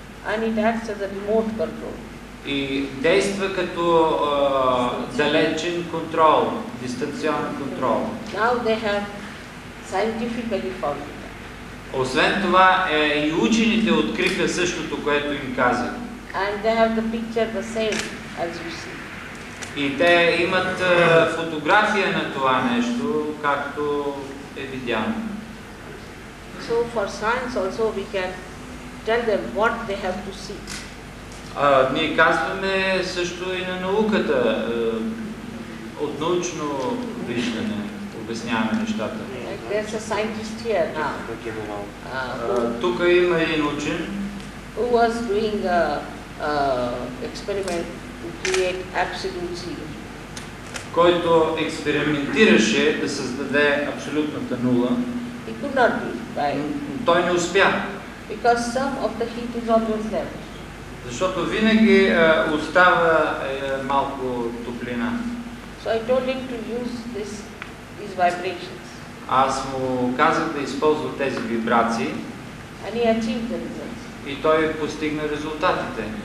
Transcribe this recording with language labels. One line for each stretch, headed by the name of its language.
English: And it acts as a remote control.
Bulgarian: И действа като далечен контрол, дистанционен контрол.
English: Now they have scientifically found.
Bulgarian: Освен това и учените откриха същото, което им казах.
English: And they have the picture the same as you see.
Bulgarian: И те имат фотография на това нещо, както е видяно.
English: So for science also we can tell them what they have to see.
Bulgarian: Ние казваме също и на науката, от научно виждане, обясняваме нещата.
English: There's a scientist here now.
Bulgarian: Тук има един учен.
English: Who was doing a experiment to create absolute zero.
Bulgarian: Който експериментираше да създаде абсолютната нула.
English: He could not do it, right?
Bulgarian: Той не успя.
English: Because some of the heat is always there.
Bulgarian: Защото винаги остава малко топлина.
English: So I told him to use these vibrations.
Bulgarian: Аз му казах да използва тези вибрации.
English: And he achieved the results.
Bulgarian: И той постигна резултатите.